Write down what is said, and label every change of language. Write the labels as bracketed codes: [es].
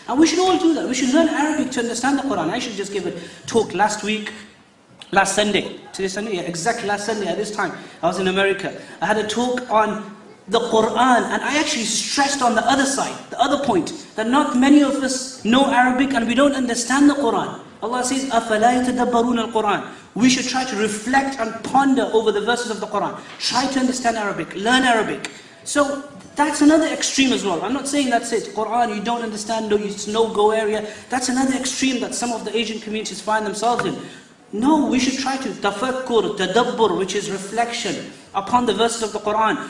[en] And we should all do that. We should learn Arabic to understand the Quran. I should just give a talk last Sunday. to this exact last Sunday at this time, I was in America. I had a talk on the Quran, and I actually stressed on the other side, the other point, that not many of us know Arabic and we don't understand the Quran. Allah says, [ar] أَفَلَا يَتَدَبَّرُونَ الْقُرْآنَ. [en] We should try to reflect and ponder over the verses of the Quran. Try to understand Arabic, learn Arabic. So that's another extreme as well. I'm not saying that's it. Quran, you don't understand, no, it's no-go area. That's another extreme that some of the Asian communities find themselves in. No, we should try to tafakkur, tadabbur, which is reflection upon the verses of the Quran.